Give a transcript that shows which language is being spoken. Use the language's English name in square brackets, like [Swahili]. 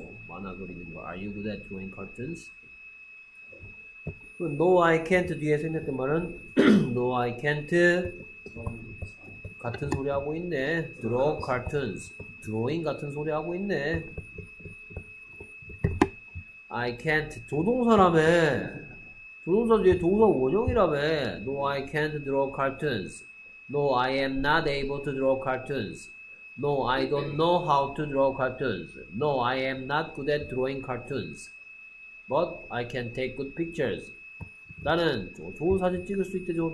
[Korean] 만화 그리는 거 [English] Are you good at drawing cartoons? No I can't [Korean] 뒤에 생략된 말은 [English] No I can't [Korean] 같은 소리 하고 있네. [English] Draw cartoons. [Korean] 드로잉 같은 소리 하고 있네. [English] I can't [Korean] 조동사라며. 조동사 뒤에 동사 원형이라며. [English] No, I can't draw cartoons. No, I am not able to draw cartoons. No, I don't know how to draw cartoons. No, I am not good at drawing cartoons. But I can take good pictures. [Korean] 나는 좋은 사진 찍을 수 있대죠.